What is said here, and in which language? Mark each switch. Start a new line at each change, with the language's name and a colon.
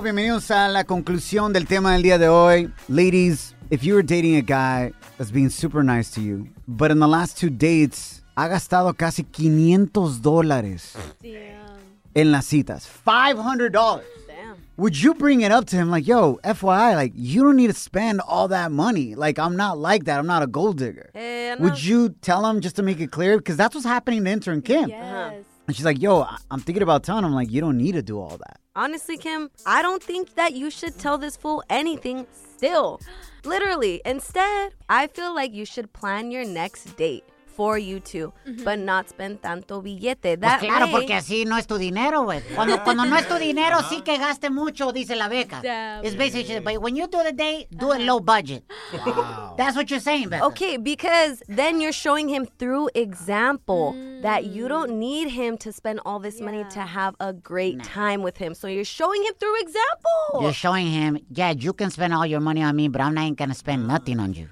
Spanish: Bienvenidos a la conclusión del tema del día de hoy.
English: Ladies, if you were dating a guy that's being super nice to you, but in the last two dates,
Spanish: ha gastado casi $500.
English: Damn.
Spanish: En las citas, $500.
English: Damn. Would you bring it up to him like, yo, FYI, like, you don't need to spend all that money. Like, I'm not like that. I'm not a gold digger. Would you tell him just to make it clear? Because that's what's happening to intern Kim. Yes. Uh-huh. And she's like, yo, I'm thinking about telling him, like, you don't need to do all that. Honestly, Kim, I don't think that you should tell this fool anything still. Literally. Instead, I feel like you should plan your next date. For you to, but not spend
Spanish: tanto billete.
English: That
Spanish: pues claro,
English: way,
Spanish: porque así no es tu dinero, güey. Cuando no es tu dinero, sí que gaste mucho, dice la beca.
English: Damn. It's basically, but when you do the date, do it low budget. Wow. That's what you're saying, Becca. Okay, because then you're showing him through example that you don't need him to spend all this money to have a great time with him. So you're showing him through example. You're showing him, you can spend all your money on me, but I'm not going to spend nothing on you.